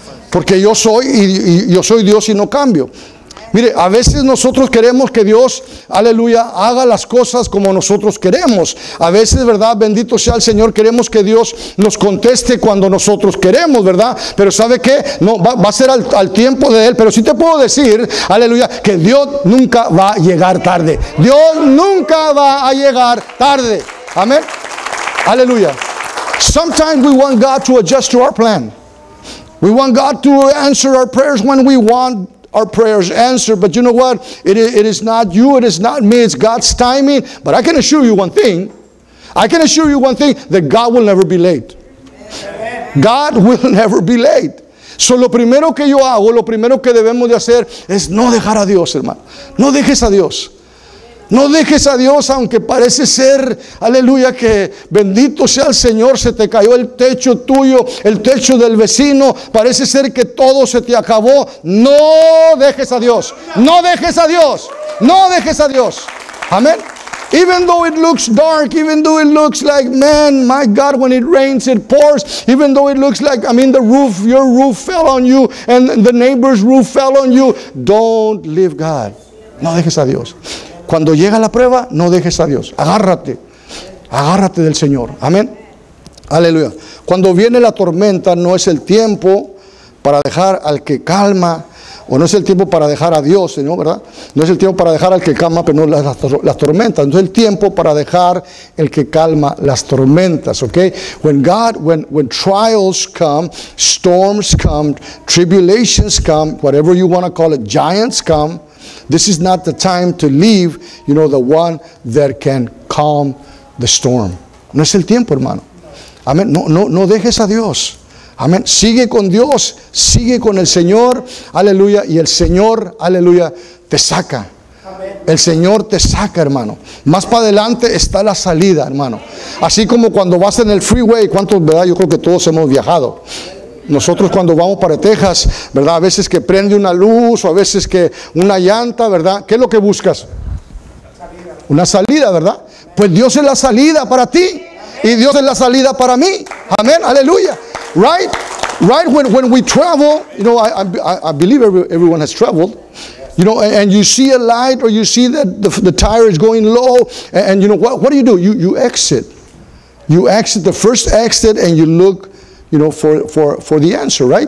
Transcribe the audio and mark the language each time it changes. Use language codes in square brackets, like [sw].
[es] Porque yo soy y yo soy Dios y no cambio. Mire, a veces nosotros queremos que Dios, aleluya, haga las cosas como nosotros queremos. A veces, ¿verdad? Bendito sea el Señor, queremos que Dios nos conteste cuando nosotros queremos, ¿verdad? Pero ¿sabe qué? No, va a ser al tiempo de Él. Pero sí te puedo decir, aleluya, que Dios nunca va a llegar tarde. Dios nunca va a llegar tarde. Amén. Aleluya. [en] Sometimes we want God to adjust to our plan. We want God to answer our prayers when we want our prayers answered, but you know what? It is not you, it is not me, it's God's timing. But I can assure you one thing. I can assure you one thing, that God will never be late. God will never be late. [es] So lo primero que yo hago, lo primero que debemos de hacer, es no dejar a Dios, hermano. No dejes a Dios. No dejes a Dios, aunque parece ser, aleluya, que bendito sea el Señor, se te cayó el techo tuyo, el techo del vecino, parece ser que todo se te acabó. No dejes a Dios, no dejes a Dios, no dejes a Dios. [en] Amén. Even though it looks dark, even though it looks like, man, my God, when it rains, it pours. Even though it looks like, the roof, your roof fell on you and the neighbor's roof fell on you. Don't leave God. [es] No dejes a Dios. Cuando llega la prueba, no dejes a Dios. Agárrate. Agárrate del Señor. Amén. Aleluya. Cuando viene la tormenta, no es el tiempo para dejar al que calma, o no es el tiempo para dejar a Dios, ¿no? ¿Verdad? No es el tiempo para dejar al que calma, pero no las tormentas. No es el tiempo para dejar el que calma las tormentas, ¿ok? [en] When trials come, storms come, tribulations come, whatever you want to call it, giants come, this is not the time to leave, you know, the one that can calm the storm. [es] No es el tiempo, hermano. Amén. No dejes a Dios. Amén. Sigue con Dios, sigue con el Señor, aleluya, y el Señor, aleluya, te saca. El Señor te saca, hermano. Más para adelante está la salida, hermano. Así como cuando vas en el freeway, ¿cuántos, verdad? Yo creo que todos hemos viajado. Nosotros cuando vamos para Texas, ¿verdad? A veces que prende una luz o a veces que una llanta, ¿verdad? ¿Qué es lo que buscas? Una salida, ¿verdad? Pues Dios es la salida para ti y Dios es la salida para mí. Amén, aleluya. Right. [en] When we travel, you know, I believe everyone has traveled, you know, and you see a light or you see that the tire is going low, and you know what do? You exit. You exit the first exit and you look, you know, for the answer, right?